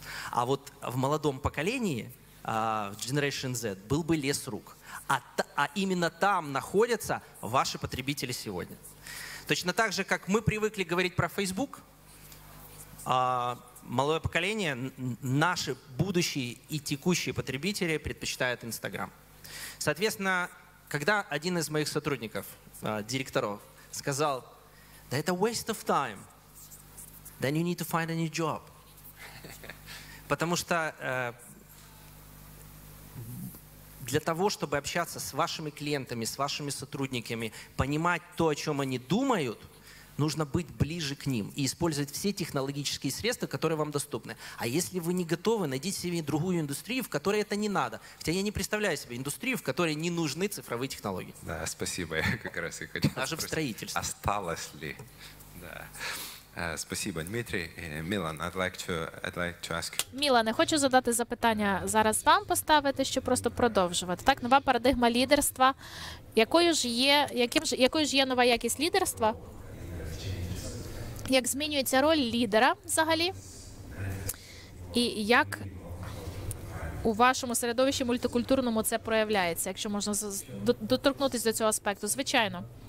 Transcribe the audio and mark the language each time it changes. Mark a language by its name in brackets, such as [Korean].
[Russian] А вот в молодом поколении, в Generation Z, был бы лес рук. А именно там находятся ваши потребители сегодня. Точно так же, как мы привыкли говорить про Facebook, молодое поколение, наши будущие и текущие потребители предпочитают Instagram. Соответственно, когда один из моих сотрудников, директоров, сказал, да это [English] waste of time, then you need to find a new job. [Russian] Потому что для того, чтобы общаться с вашими клиентами, с вашими сотрудниками, понимать то, о чем они думают, нужно быть ближе к ним и использовать все технологические средства, которые вам доступны. А если вы не готовы, найдите себе другую индустрию, в которой это не надо. Хотя я не представляю себе индустрию, в которой не нужны цифровые технологии. Да, спасибо. Я как раз и хотел спросить. Даже в строительстве. Осталось ли? Да. Спасибо, Дмитрий. [Ukrainian] Мілан, [English] I'd like to ask. [Ukrainian] Мілане, хочу задати запитання зараз вам поставити, щоб просто продовжувати. Так, нова парадигма лідерства. Якою ж є нова якість лідерства? Як змінюється роль лідера взагалі? І як у вашому середовищі мультикультурному це проявляється, якщо можна доторкнутися до цього аспекту? Звичайно.